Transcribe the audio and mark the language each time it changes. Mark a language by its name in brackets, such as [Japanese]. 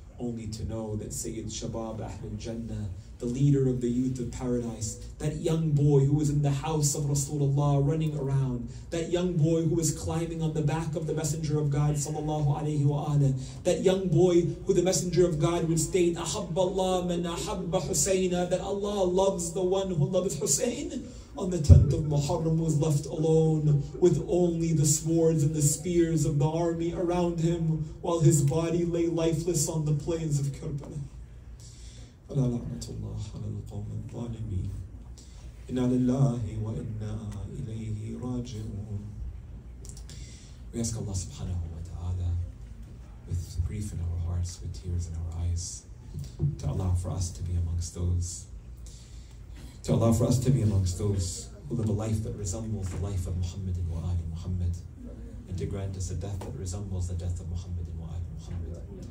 [English] Only to know that Sayyid Shabab Ahlul Jannah, the leader of the youth of paradise, that young boy who was in the house of Rasulullah running around, that young boy who was climbing on the back of the Messenger of God, sallallahu alayhi wa alayhi, that young boy who the Messenger of God would state, [Arabic] Ahabballah man ahabba Husayna, [English] that Allah loves the one who loves Hussein, on the 10th of Muharram was left alone with only the swords and the spears of the army around him while his body lay lifeless on the plains of Karbala. [Arabic] ولا لعنة الله على القوم الظالمين إنا لله وإنا إليه راجعون. [English] We ask Allah subhanahu wa ta'ala with grief in our hearts, with tears in our eyes, to allow for us to be amongst those, to allow for us to be amongst those who live a life that resembles the life of Muhammad and Wa'ali Muhammad, and to grant us a death that resembles the death of Muhammad and Wa'ali Muhammad.